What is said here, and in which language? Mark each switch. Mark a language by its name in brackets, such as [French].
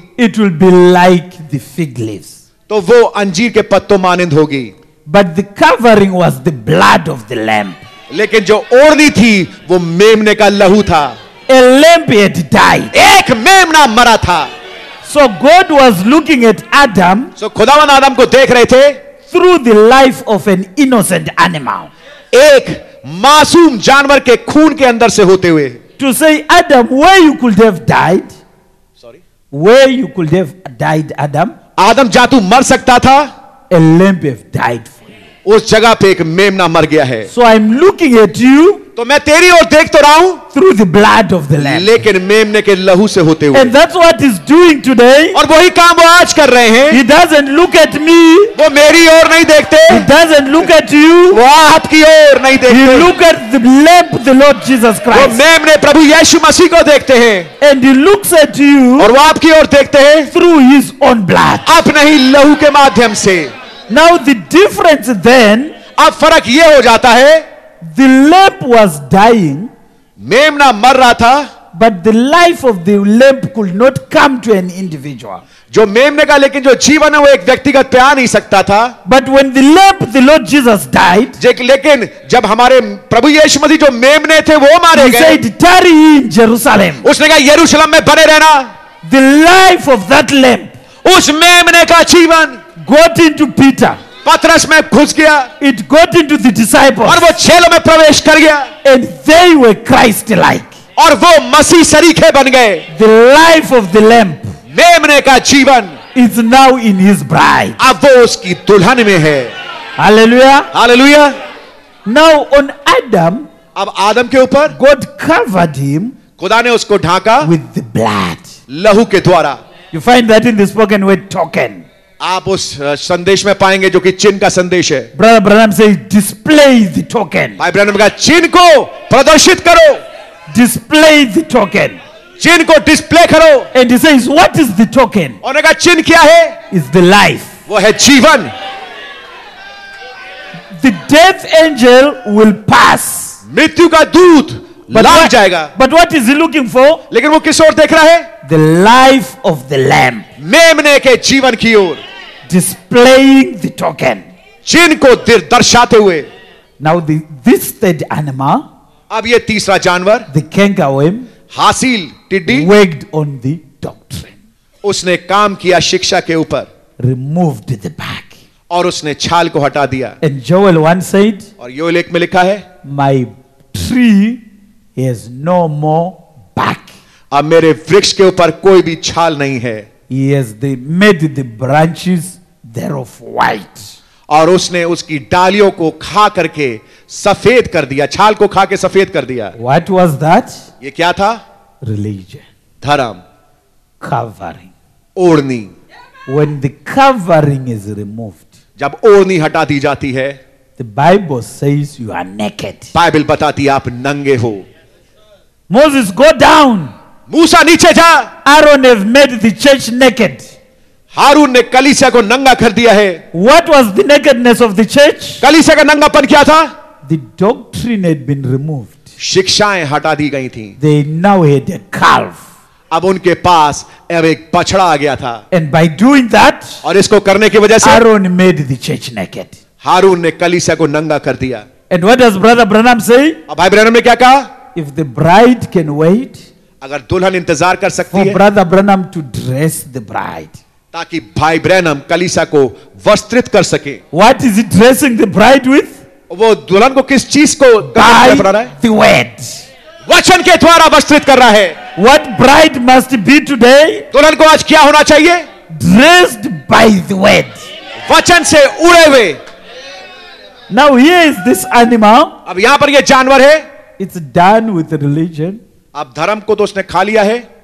[English] it will be like the fig leaves. [Hindi] तो वो अंजीर के पत्तों मानिंद होगी. [English] But the covering was the blood of the lamb. [Hindi] लेकिन जो ओढ़नी थी, वो मेमने का लहू था. [English] A lamb had died. [Hindi] एक मेमना मरा था. [English] So God was looking at Adam. [Hindi] So खुदावन आदम को देख रहे थे. [English] Through the life of an innocent animal. [Hindi] एक मासूम जानवर के खून के अंदर से होते हुए. [English] To say Adam, where you could have died? Sorry. Where you could have died, Adam? [Hindi] आदम जा तू मर सकता था. [English] A lamb have died for you. [Hindi] उस जगह पे एक मेमना मर गया है. [English] So I'm looking at you. [Hindi] तो मैं तेरी ओर देख तो रहा हूं. [English] Through the blood of the lamb. [Hindi] लेकिन मेमने के लहू से होते हुए. [English] And that's what he's doing today. [Hindi] और वही काम वो आज कर रहे हैं. [English] He doesn't look at me. [Hindi] वो मेरी ओर नहीं देखते. [English] He doesn't look at you. [Hindi] वो आपकी ओर नहीं देखते. [English] He look at the lamb, the Lord Jesus Christ. [Hindi] वो मेमने प्रभु यीशु मसीह को देखते हैं. [English] And he looks at you. [Hindi] और वो आपकी ओर देखते हैं. [English] Through his own blood. [Hindi] अपने ही लहू के माध्यम से. [English] Now the difference then. [Hindi] अब फर्क ये हो जाता है. [English] The lamb was dying. [Hindi] मेमना मर रहा था. [English] But the life of the limp could not come to an individual. [Hindi] जो मेमने का लेकिन जो जीवन है वो एक व्यक्तिगत पे आ नहीं सकता था. [English] But when the limp, the Lord Jesus died. [Hindi] लेकिन जब हमारे प्रभु यीशु मसीह जो मेमने थे वो मारे गए. [English] He said, "Tarry in Jerusalem." [Hindi] उसने कहा यरूशलेम में बने रहना. [English] The life of that limp. [Hindi] उस मेमने का जीवन. [English] Got into Peter. [Hindi] पत्रस में घुस गया. [English] It got into the disciples. [Hindi] और वो चेलों में प्रवेश कर गया. [English] And they were Christ-like. [Hindi] और वो मसीह शरीके बन गए. [English] The life of the lamb, [Hindi] मेमने का जीवन, [English] is now in his bride. [Hindi] अब वो उसकी दुल्हन में है. [English] Hallelujah. [Hindi] Hallelujah. [English] Now on Adam, [Hindi] अब आदम के ऊपर, [English] God covered him, [Hindi] खुदा ने उसको ढाका, [English] with the blood, [Hindi] लहू के द्वारा. [English] You find that in the spoken word token. [Hindi] आप उस संदेश में पाएंगे जो कि चिन्ह का संदेश है. [English] Brother Branham say, display the token. [Hindi] भाई ब्रैनम का चिन्ह को प्रदर्शित करो. [English] Display the token. [Hindi] चिन्ह को डिस्प्ले करो. [English] And he says, what is the token? [Hindi] और उनका चिन्ह क्या है? [English] Is the life. [Hindi] वो है जीवन. [English] The death angel will pass. [Hindi] मृत्यु का दूत लांग जाएगा. [English] But what is he looking for? [Hindi] लेकिन वो किस ओर देख रहा है? [English] The life of the lamb. [Hindi] मेमने के जीवन की ओर. [English] Displaying the token. [Hindi] चिन्ह को दर्शाते हुए. [English] Now this third animal. [Hindi] अब ये तीसरा जानवर, [English] the kangaroo, [Hindi] हासिल टिड्डी, [English] worked on the doctrine. [Hindi] उसने काम किया शिक्षा के ऊपर, [English] removed the back, [Hindi] और उसने छाल को हटा दिया. [English] And Joel 1 said, [Hindi] और योएल 1 में लिखा है, [English] my tree has no more back. [Hindi] अब मेरे वृक्ष के ऊपर कोई भी छाल नहीं है. [English] He has made the branches thereof white. [Hindi] और उसने उसकी डालियों को खा करके सफेद कर दिया, छाल को खा के सफेद कर दिया. [English] What was that? [Hindi] ये क्या था? [English] Religion. [Hindi] धर्म. [English] Covering. [Hindi] ओढ़नी. [English] When the covering is removed, [Hindi] जब ओढ़नी हटा दी जाती है, [English] the Bible says you are naked. [Hindi] Bible बताती है आप नंगे हो. [English] Moses go down. [Hindi] मूसा नीचे जा. [English] Aaron has made the church naked. [Hindi] हारून ने कलीसिया को नंगा कर दिया है. [English] What was the nakedness of the church? [Hindi] कलीसिया का नंगापन क्या था? [English] The doctrine had been removed. [Hindi] शिक्षाएं हटा दी गई थी. [English] They now had a calf. [Hindi] अब उनके पास अब एक बछड़ा आ गया था. [English] And by doing that, [Hindi] और इसको करने की वजह से [English] Aaron made the church naked. [Hindi] हारून ने कलीसिया को नंगा कर दिया. [English] And what does Brother Branham say? [Hindi] अब भाई ब्रैनम ने क्या कहा? [English] If the bride can wait, [Hindi] अगर दुल्हन इंतजार कर सकती है, [English] for Brother Branham to dress the bride. [Hindi] ताकि भाई ब्रैनम कलीसिया को वस्त्रित कर सके. [English] What is he dressing the bride with? [Hindi] वो दुल्हन को किस चीज को [English] the word. [Hindi] वचन के द्वारा वस्त्रित कर रहा है. [English] What bride must be today? [Hindi] दुल्हन को आज क्या होना चाहिए? [English] Dressed by the word. [Hindi] वचन से उड़े हुए. [English] Now here is this animal. [Hindi] अब यहां पर ये जानवर है. [English] It's done with religion. [Hindi] अब धर्म को तो उसने खा लिया है.